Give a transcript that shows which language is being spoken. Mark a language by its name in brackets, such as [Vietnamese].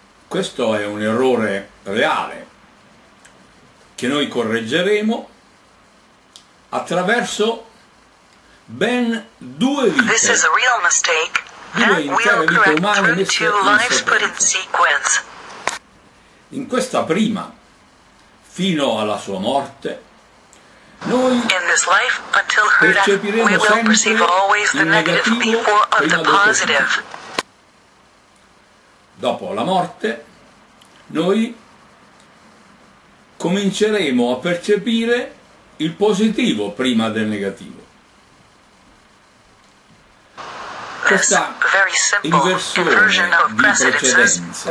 [Italian] Questo è un errore reale che noi correggeremo attraverso ben due vite. [English] This is a real mistake that we'll correct through two lives put in sequence. [Italian] In questa prima, fino alla sua morte, noi [English] in this life, until her [Italian] percepiremo [English] death, we will perceive always the negative before of the positive. [Italian] Dopo la morte, noi cominceremo a percepire il positivo prima del negativo. Questa inversione di precedenza,